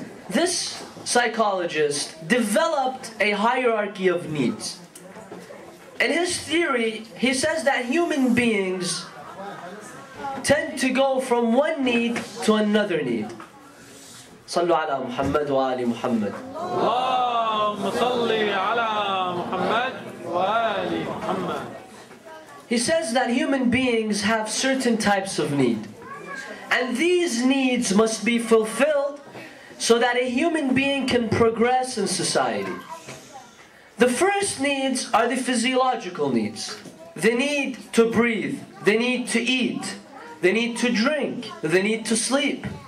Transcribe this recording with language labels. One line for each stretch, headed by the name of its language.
English: This psychologist developed a hierarchy of needs. In his theory, he says that human beings tend to go from one need to another need.
Arabic: صلوا على محمد وآل محمد. اللهم صل على محمد وآل محمد.
English: He says that human beings have certain types of need, and these needs must be fulfilled so that a human being can progress in society. The first needs are the physiological needs. The need to breathe, the need to eat, the need to drink, the need to sleep.